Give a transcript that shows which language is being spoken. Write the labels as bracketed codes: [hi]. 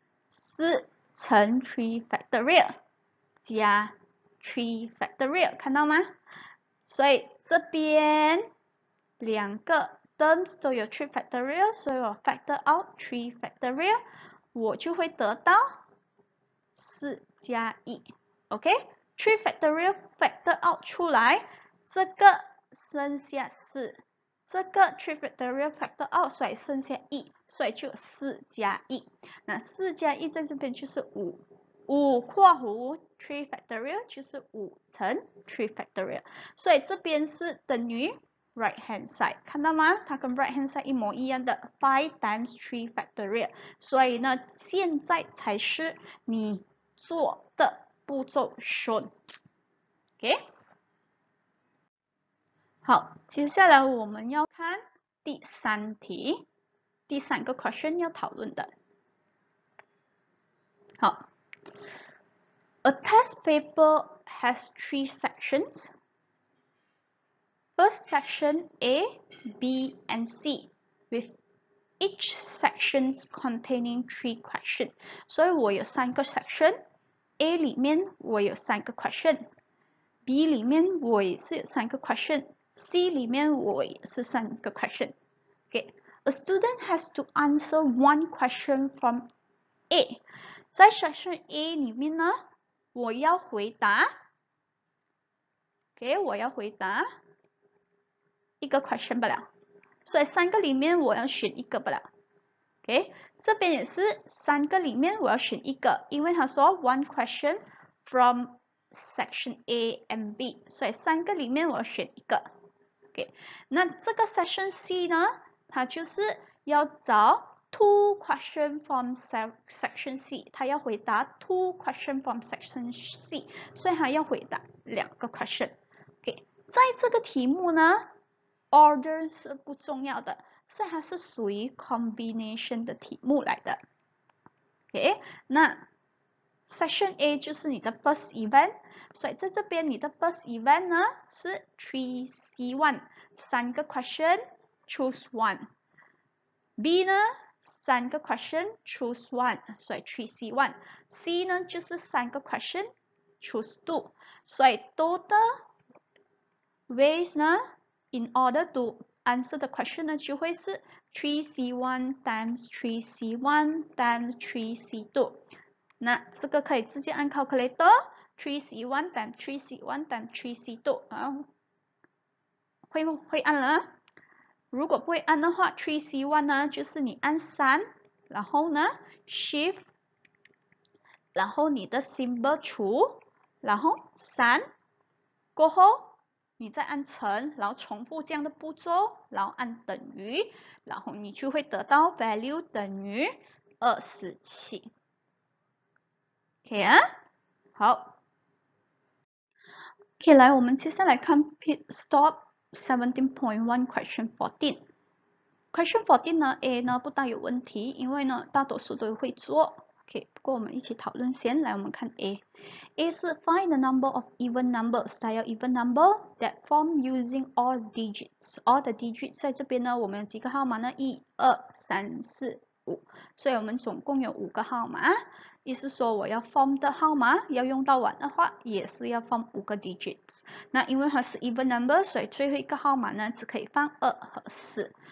[zh] 4乘 3 factorial 加 3 factorial， 看到吗？所以这边两个 terms 都有 3 factorial， 所以我 factor out 3 factorial， 我就会得到4加1。 OK， 3 factorial factor out 出来，这个剩下4。这个 3 factorial factor out， 所以剩下1， 所以就4加1。那4加1在这边就是5， 5括弧 3 factorial 就是5乘 3 factorial， 所以这边是等于 right hand side， 看到吗？它跟 right hand side 一模一样的 5 times 3 factorial， 所以呢，现在才是你做的步骤shown。 OK， 好，接下来我们要看第三题，第三个 question 要讨论的。好， [en] A test paper has 3 sections. First section A, B, and C, with each sections containing 3 questions. [zh] 所以我有三个 section， A 里面我有三个 question， B 里面我也是有三个 question。 C 里面我也是三个 question. [en] Okay, a student has to answer one question from A. [zh] 在 section A 里面呢，我要回答， okay， 我要回答一个 question 不了，所以三个里面我要选一个不了。 Okay， 这边也是三个里面我要选一个，因为他说 [en] one question from section A and B， [zh] 所以三个里面我要选一个。 Okay, 那这个 section C 呢，它就是要找 [en] two question from section C， [zh] 它要回答 two question from section C， 所以它要回答两个 question。 Okay, 在这个题目呢 ，order 是不重要的，所以它是属于 combination 的题目来的。 Okay, 那 section A 就是你的 first event， 所以在这边你的 first event 呢是 3C1。三个 question choose one， B 呢三个 question choose one， 所以 3 C 1 C 呢就是三个 question choose two， 所以 total ways 呢 [en] in order to answer the question [zh] 呢就会是 3 C 1 times 3 C 1 times 3 C 2， 那这个可以直接按 calculator 3 C 1 times 3 C 1 times 3 C 2，会按了，如果不会按的话 3C1 呢就是你按3，然后呢 shift， 然后你的 symbol 除，然后3，过后你再按乘，然后重复这样的步骤，然后按等于，然后你就会得到 value 等于 27。 OK 啊，好， OK， 来我们接下来看 pit stop 17.1 question 14。 question 14呢 A 呢不大有问题，因为呢大多数都会做。 OK, 不过我们一起讨论先, 来我们看A. [en] A 是 find the number of even numbers, 它要 even number that form using all digits. [zh] All the digits 在这边呢, 我们有几个号码呢? 1, 2, 3, 4, 5. 所以我们总共有5个号码, 意思说我要 form 的号码, 要用到完的话, 也是要 form 5个digits. 那因为它是 even number, 所以最后一个号码呢, 只可以放2和4.